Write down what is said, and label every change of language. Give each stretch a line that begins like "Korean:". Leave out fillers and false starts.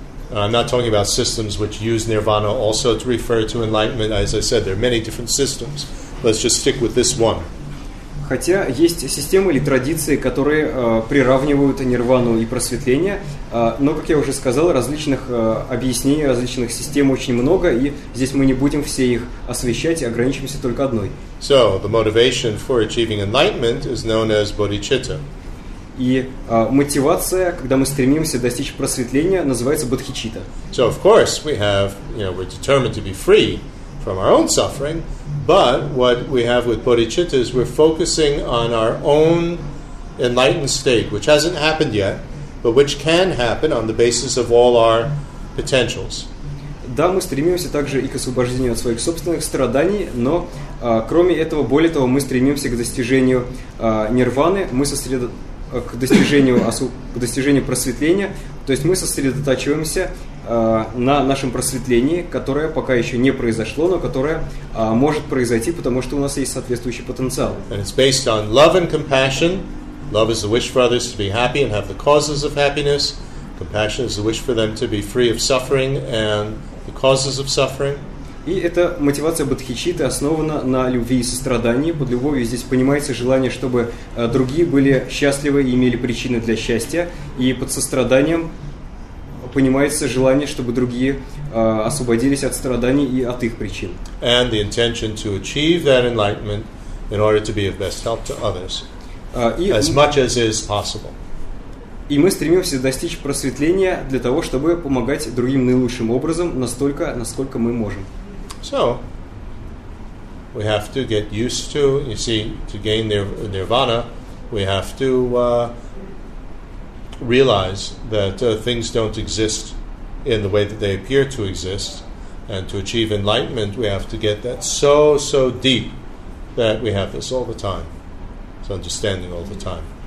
English: Right. I'm not talking about systems which use nirvana also to refer to enlightenment. As I said, there are many different systems. Let's just stick with this one.
Russian: Хотя есть системы или традиции, которые приравнивают нирвану и просветление, но, как я уже сказал, различных объяснений, различных систем очень много, и здесь мы не будем все их освещать, ограничимся только одной.
English: So, the motivation for achieving enlightenment is known as bodhicitta.
Russian: И мотивация, когда мы стремимся достичь просветления, называется бодхичитта.
English: So, of course, we have, you know, we're determined to be free from our own suffering, but what we have with bodhicitta is we're focusing on our own enlightened state, which hasn't happened yet, but which can happen on the basis of all our potentials.
Russian: Да, мы стремимся также и к освобождению от своих собственных страданий, но кроме этого, более того, мы стремимся к достижению нирваны, мы к достижению просветления, то есть мы сосредотачиваемся на нашем просветлении, которое пока еще не произошло, но которое может произойти, потому что у нас есть соответствующий потенциал.
English: And it's based on love and compassion. Love is the wish for others to be happy and have the causes of happiness. Compassion is the wish for them to be free of suffering and the causes of suffering.
Russian: И эта мотивация бодхичитты основана на любви и сострадании. Под любовью здесь понимается желание, чтобы другие были счастливы и имели причины для счастья. И под состраданием понимается желание, чтобы другие освободились от страданий и от их причин.
English: And the intention to achieve that enlightenment in order to be of best help to others as much as is possible.
Russian: И мы стремимся достичь просветления для того, чтобы помогать другим наилучшим образом, настолько, насколько мы можем.
English: So, we have to get used to, you see, to gain nirvana, we have to realize that things don't exist in the way that they appear to exist, and to achieve enlightenment, we have to get that so, so deep that we have this all the time, this understanding all the time.